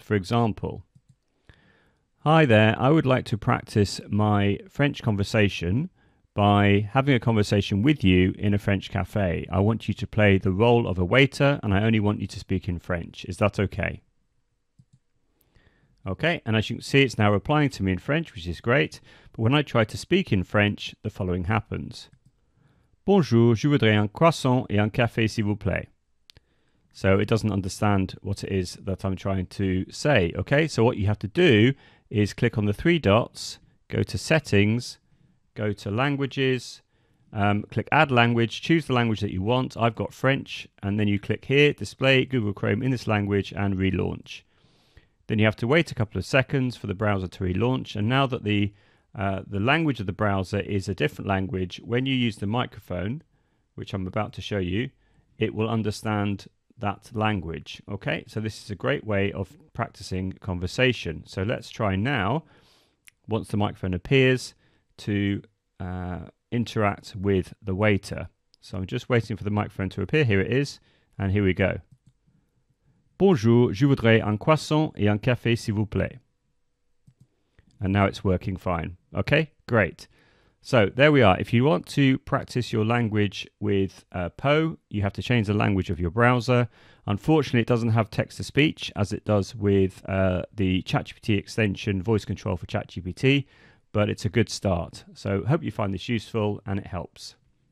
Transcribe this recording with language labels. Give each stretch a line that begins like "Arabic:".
English: For example, hi there, I would like to practice my French conversation by having a conversation with you in a French cafe. I want you to play the role of a waiter and I only want you to speak in French. Is that okay? Okay, and as you can see, it's now replying to me in French, which is great. But when I try to speak in French, the following happens.
French: Bonjour, je voudrais un croissant et un café, s'il vous plaît.
English: So it doesn't understand what it is that I'm trying to say. Okay, so what you have to do is click on the three dots, go to settings, go to languages, click add language, choose the language that you want. I've got French, and then you click here, display Google Chrome in this language and relaunch. Then you have to wait a couple of seconds for the browser to relaunch. And now that the language of the browser is a different language, when you use the microphone, which I'm about to show you, it will understand that language. Okay, so this is a great way of practicing conversation. So let's try now, once the microphone appears, to interact with the waiter. So I'm just waiting for the microphone to appear. Here it is, and here we go.
French: Bonjour, je voudrais un croissant et un café, s'il vous plaît.
English: And now it's working fine. Okay, great. So there we are. If you want to practice your language with Poe, you have to change the language of your browser. Unfortunately, it doesn't have text-to-speech as it does with the ChatGPT extension, voice control for ChatGPT, but it's a good start. So hope you find this useful and it helps.